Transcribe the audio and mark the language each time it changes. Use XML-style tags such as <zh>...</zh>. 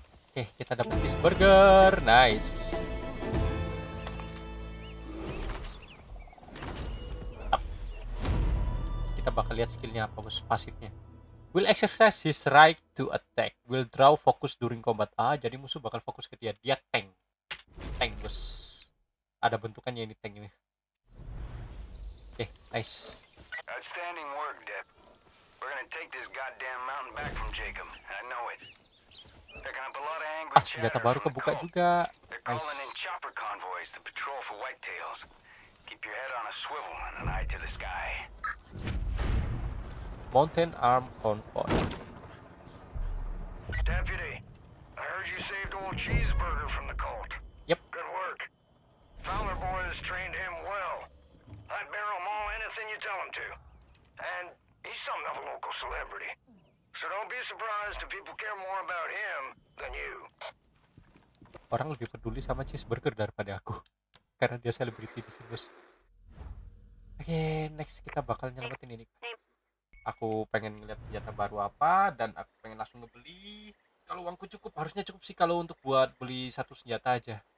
<id>Oke, kita dapat cheeseburger. Nice. Bakal lihat skillnya apa bos, pasifnya</id> <en>will exercise his right to attack, will draw focus during combat.</en> <id>Ah, jadi musuh bakal fokus ke dia, dia tank. Tank bos, ada bentukannya ini tank ini. Oke, okay, nice.</id> <en>Outstanding work, Depp. We're gonna take this goddamn mountain back from Jacob. I know it. Picking up a lot of angry.</en> <id>Ah, senjata baru kebuka juga. Nice.</id> <en>Calling in chopper convoys to patrol for whitetails. Keep your head on a swivel and an eye to the sky. Mountain Arm Convoy. Deputy, I heard you saved old Cheeseburger from the cult. Yep. Good work. Fowler boy has trained him well. I'd barrel him all anything you tell him to. And he's something of a local celebrity. So don't be surprised if people care more about him than you.</en> <id>Orang lebih peduli sama Cheeseburger daripada aku. Karena dia selebriti di sini, bos. Oke, next kita bakal nyelamatin ini. Aku pengen ngeliat senjata baru apa, dan aku pengen langsung ngebeli. Kalau uangku cukup, harusnya cukup sih kalau untuk buat beli satu senjata aja.</id>